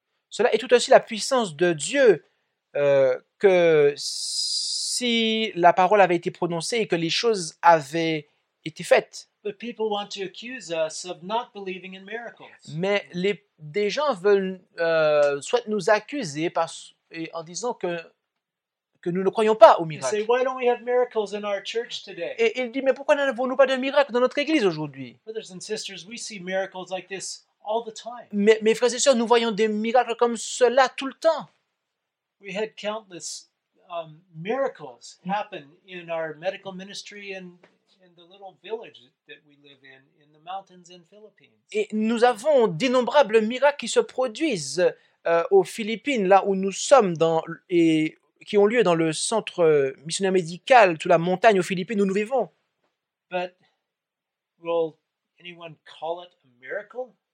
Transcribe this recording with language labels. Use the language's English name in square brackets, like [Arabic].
[French] Cela est tout aussi la puissance de Dieu que si la parole avait été prononcée et que les choses avaient été faites. [English] But people want to accuse us of not believing in miracles. [French] Mais des gens veulent souhaitent nous accuser en disant que nous ne croyons pas aux miracles. [English] They say, why don't we have miracles in our church today? [French] Et ils disent, mais pourquoi n'avons-nous pas de miracles dans notre église aujourd'hui? [English] Brothers and sisters, we see miracles like this all the time. [French] Mais mes frères et sœurs, nous voyons des miracles comme cela tout le temps. [English] We had countless miracles happen in our medical ministry and the little village that we live in the mountains in Philippines. [French] Et nous avons d'innombrables miracles qui se produisent aux Philippines, là où nous sommes, et qui ont lieu dans le centre missionnaire médical sous la montagne aux Philippines où nous vivons. [English] But will anyone call it a miracle?